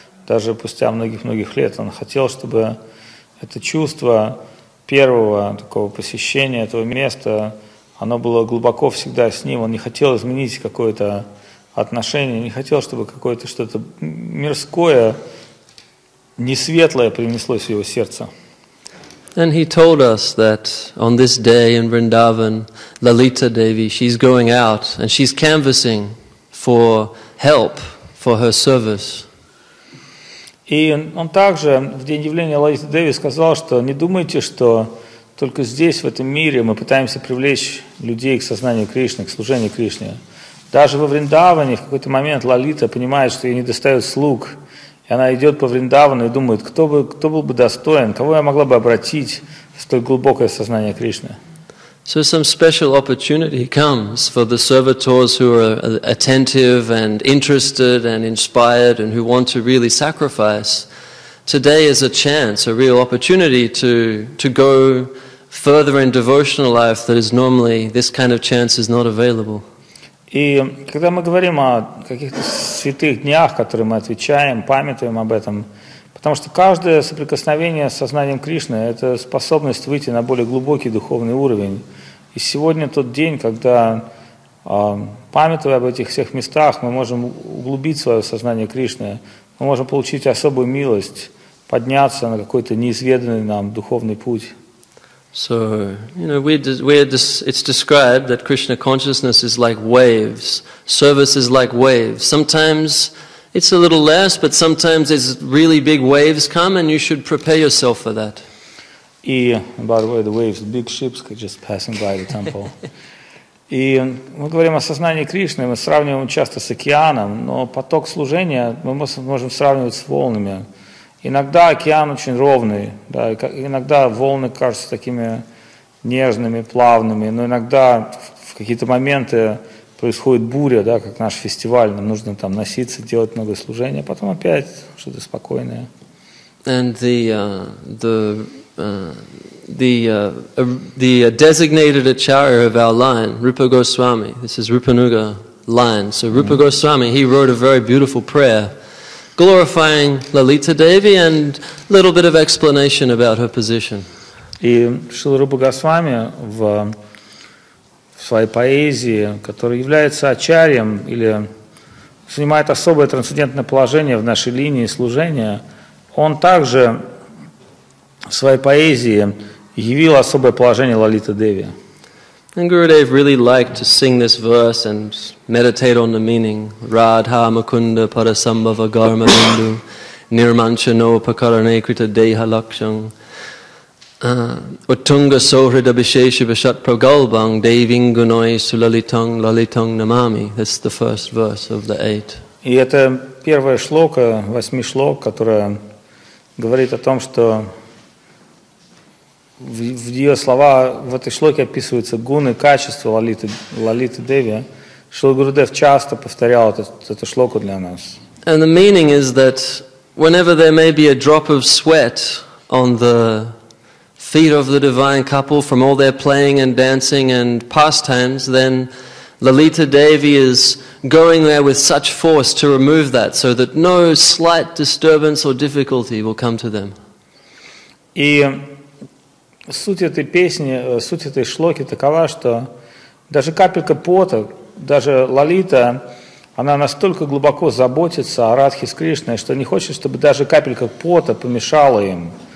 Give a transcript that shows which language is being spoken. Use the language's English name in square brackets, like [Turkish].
[Russian] Даже спустя многих-многих лет он хотел, чтобы это чувство первого такого посещения этого места, оно было глубоко всегда с ним. Он не хотел изменить какое-то отношения, не хотел, чтобы какое-то что-то мирское, несветлое принеслось в его сердце. [English] And he told us that on this day in Vrindavan, Lalita Devi, she's going out and she's canvassing for help for her service. [Russian] И он также в день явления Лалиты Деви сказал, что не думайте, что только здесь, в этом мире, мы пытаемся привлечь людей к сознанию Кришны, к служению Кришне. Даже во Вриндаване в какой-то момент Лалита понимает, что ей не достает слуг, и она идет по Вриндавану и думает, кто был бы достоин, кого я могла бы обратить в столь глубокое сознание Кришны. [English] So some special opportunity comes for the servitors who are attentive and interested and inspired and who want to really sacrifice. Today is a chance, a real opportunity to go further in devotional life that is normally, this kind of chance is not available. [Russian] И когда мы говорим о каких-то святых днях, которые мы отвечаем, памятуем об этом, потому что каждое соприкосновение с сознанием Кришны – это способность выйти на более глубокий духовный уровень. И сегодня тот день, когда, памятуя об этих всех местах, мы можем углубить свое сознание Кришны, мы можем получить особую милость, подняться на какой-то неизведанный нам духовный путь. [English] So, you know, it's described that Krishna consciousness is like waves. Service is like waves. Sometimes it's a little less, but sometimes it's really big waves come and you should prepare yourself for that. And by the way, the waves, big ships could just passing by the temple. [Russian] И мы говорим о сознании Кришны, мы сравниваем часто с океаном, но поток служения мы можем сравнивать с волнами. Иногда океан очень ровный, да, иногда волны кажутся такими нежными, плавными, но иногда в какие-то моменты происходит буря, да, как наш фестиваль, нам нужно там носиться, делать много служения, а потом опять что-то спокойное. [English] And the designated acharya of our line, Rupa Goswami, this is Rupanuga line, so Rupa Goswami, he wrote a very beautiful prayer glorifying Lalita Devi and a little bit of explanation about her position. [Russian] И Шрила Рупа Госвами в своей поэзии, которая является ачарьем или занимает особое трансцендентное положение в нашей линии служения, он также в своей поэзии явил особое положение Лалита Деви. [English] And Gurudev really liked to sing this verse and meditate on the meaning. [Sanskrit] Radha Mukunda Parasambhava Garma Bindu Nirmanchano Pakarane Krita Deha Lakshang Uttunga Sohrida Bishesha Bishat Pragalbang Devingunoi Sulalitang Lalitang Namami. [English] That's the first verse of the eight. [Russian] И это первая шлока, восьми шлок, которая говорит о том, что в ее слова, в этой шлоке описываются гуны, качества Лалиты Деви. Шрила Гурудев часто повторял эту шлоку для нас. [English] And the meaning is that whenever there may be a drop of sweat on the feet of the divine couple from all their playing and dancing and pastimes, then Lalita Devi is going there with such force to remove that so that no slight disturbance or difficulty will come to them. [Russian] И суть этой песни, суть этой шлоки такова, что даже капелька пота, даже Лалита, она настолько глубоко заботится о Радхе с Кришной, что не хочет, чтобы даже капелька пота помешала им.